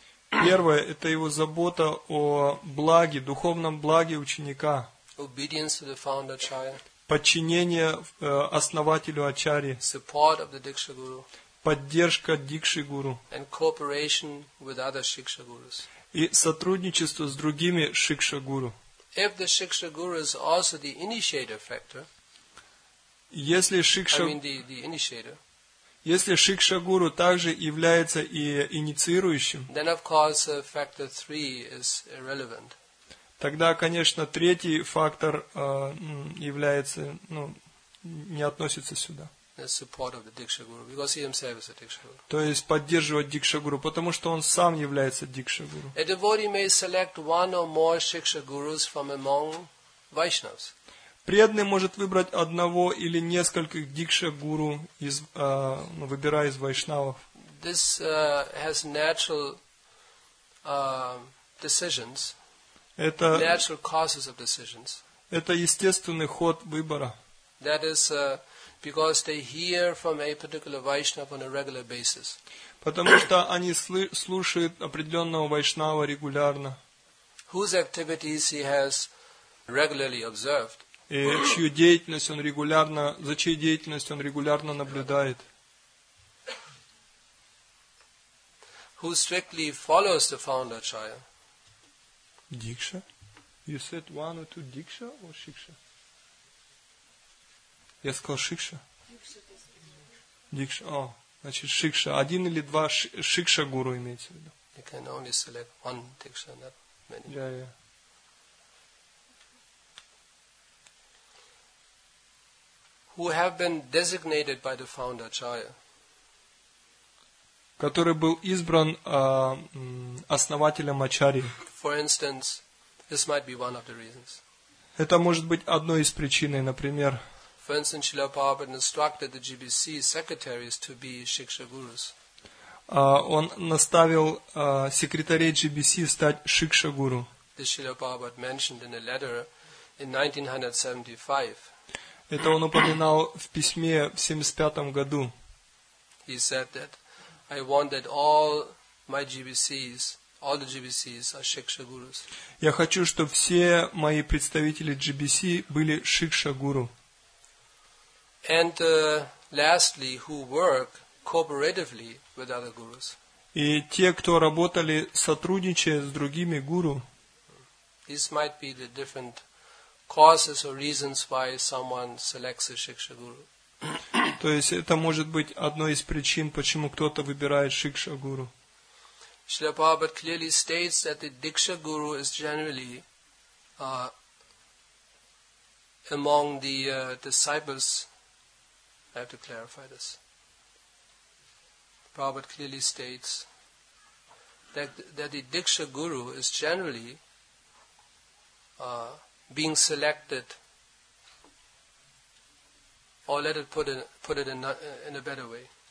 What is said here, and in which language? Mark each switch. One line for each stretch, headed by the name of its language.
Russian: Первое – это его забота о благе, духовном благе ученика.
English: Obedience to the founder Acharya.
Russian: Подчинение основателю Ачарьи.
English: Support of the Diksha Guru.
Russian: Поддержка Дикши Гуру.
English: And cooperation with other Shiksha Gurus.
Russian: И сотрудничество с другими Шикша Гуру.
English: If the Shiksha Guru is also the initiator factor,
Russian: если Шикша Гуру также является и инициирующим,
English: then of course factor 3 is irrelevant.
Russian: Тогда, конечно, третий фактор является, ну, не относится сюда.
English: Support of the Diksha Guru, because he himself is a Diksha Guru.
Russian: То есть поддерживать Дикша Гуру, потому что он сам является Дикша Гуру.
English: A devotee may select one or more Shiksha Gurus from among Vaishnavas.
Russian: Преданный может выбрать одного или нескольких Дикша Гуру, выбирая из Вайшнавов.
English: This has natural decisions.
Russian: Это
English: natural causes of decisions.
Russian: Это естественный ход выбора.
English: That is because they hear from a particular Vaishnava on a regular basis.
Russian: Потому что они слушают определенного Вайшнава регулярно.
English: Whose activities he has regularly observed.
Russian: И чью деятельность он регулярно, за чьей деятельностью он регулярно наблюдает.
English: Who strictly follows the founder Acharya? Дикша? You said one or two Дикша or Шикша?
Russian: Я сказал Шикша. Дикша. О, значит Шикша. Один или два Шикша гуру имеется в виду.
English: You can only select one Дикша, not many. Yeah. Who have been designated by the founder Acharya?
Russian: Который был избран основателем Ачарьи.
English: For instance, this might be one of the reasons.
Russian: Это может быть одной из причин, например.
English: For instance, Srila Prabhupada instructed the GBC secretaries to be Shiksha Gurus.
Russian: Он наставил секретарей GBC стать Шикша Гуру.
English: This Srila Prabhupada mentioned in a letter in 1975.
Russian: Это он упоминал в письме в 1975 году. Я хочу, чтобы все мои представители GBC были Шикша Гуру.
English: And lastly, who work cooperatively with other gurus.
Russian: И те, кто работали сотрудничая с другими гуру.
English: These might be the different causes or reasons why someone selects a Shiksha Guru.
Russian: То есть это может быть одной из причин, почему кто-то выбирает Шикша Гуру.
English: Srila Prabhupada clearly states that the Diksha Guru is generally among the disciples. I have to clarify this. Prabhupada clearly states that the Diksha Guru is generally being selected, or let it put it in a better way.